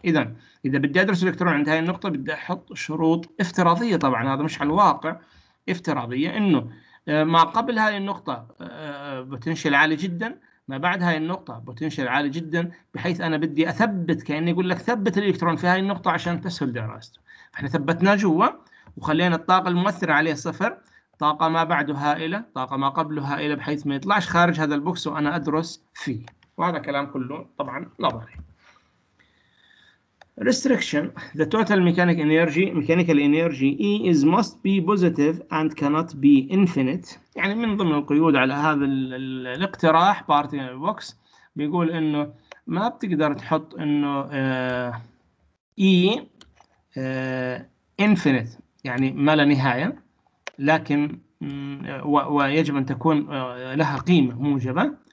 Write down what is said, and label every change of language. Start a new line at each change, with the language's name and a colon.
Arabic: إذا بدي أدرس الالكترون عند هاي النقطة بدي أحط شروط افتراضية، طبعا هذا مش على الواقع، افتراضية، إنه ما قبل هاي النقطة بوتنشال عالي جدا، ما بعد هاي النقطة بوتنشال عالي جدا، بحيث أنا بدي أثبت، كأني أقول لك ثبت الالكترون في هاي النقطة عشان تسهل دراسته. احنا ثبتناه جوا وخلينا الطاقة المؤثرة عليه صفر، طاقة ما بعده هائلة، طاقة ما قبله هائلة، بحيث ما يطلعش خارج هذا البوكس وأنا أدرس فيه. وهذا كلام كله طبعا نظري.
English: Restriction: the total mechanical energy E is must be positive and cannot be infinite.
Arabic: يعني من ضمن القيود على هذا الاقتراح part in the box بيقول إنه ما بتقدر تحط إنه E infinite يعني ما لا نهاية، لكن ويجب أن تكون لها قيمة موجبة.